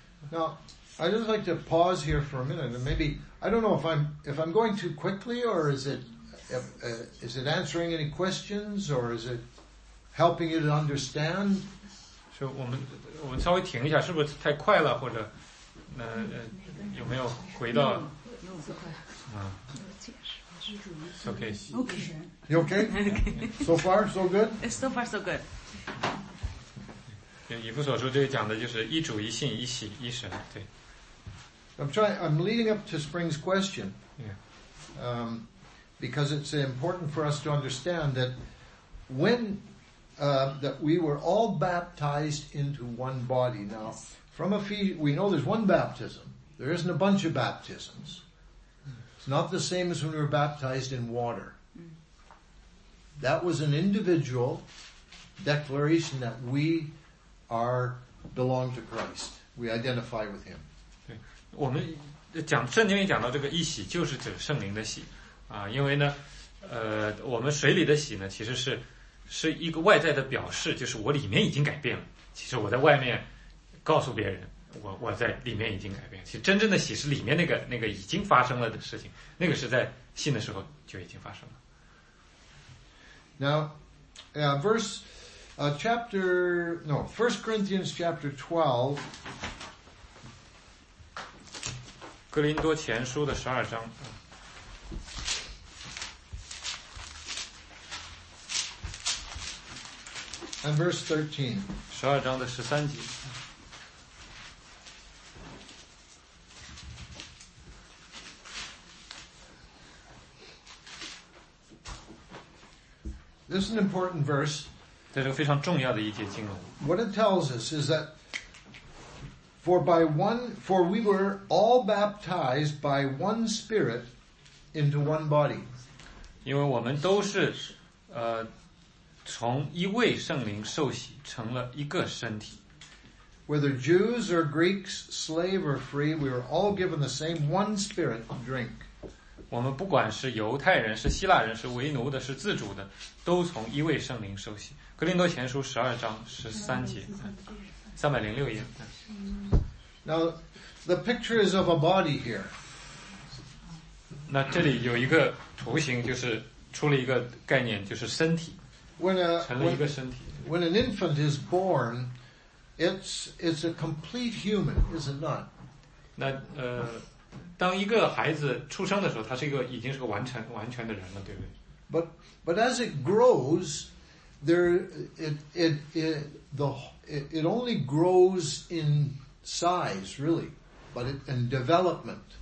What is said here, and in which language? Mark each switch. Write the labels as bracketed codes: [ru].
[en] Now, I just like to pause here for a minute, and maybe I don't know if I'm going too quickly, or is it answering any questions, or is it helping you to understand? [zh] So, 我们稍微停一下，是不是太快了？或者有没有回到？ [en] Okay. You okay? So far, so good? So far, so good. [zh] 以弗所书这里讲的就是一主一信一洗一神，对。 [en] I'm leading up to Spring's question. Yeah. Because it's important for us to understand that when that we were all baptized into one body. Now, from we know there's one baptism. There isn't a bunch of baptisms. Not the same as when we were baptized in water. That was an individual declaration that we belong to Christ. We identify with Him. [zh] 对，我们讲圣经里讲到这个一洗，就是指圣灵的洗啊。因为呢，我们水里的洗呢，其实是一个外在的表示，就是我里面已经改变了。其实我在外面告诉别人。我在里面已经改变，其实真正的喜是里面那个已经发生了的事情，那个是在信的时候就已经发生了。 [en] Now, First Corinthians chapter 12, [zh] 哥林多前书的十二章。 [en] And verse 13, [zh] 十二章的十三节。 [en] This is an important verse. [zh] 这是个非常重要的一节经文。 [en] What it tells us is that for we were all baptized by one spirit into one body. [zh] 因为我们都是从一位圣灵受洗成了一个身体。 [en] Whether Jews or Greeks, slave or free, we are all given the same one spirit to drink. [zh] 我们不管是犹太人是希腊人是为奴的是自主的都从一位圣灵受洗。格林多前书十二章十三节306页。 [en] Now, the picture is of a body here. [zh] 那这里有一个图形就是出了一个概念就是身体。成了一个身体。 [en] When an infant is born,It's a complete human, is it not? [zh] 那当一个孩子出生的时候，他是一个已经是个完全的人了，对不对 [en] ？But as it grows, it only grows in size, really, but in development.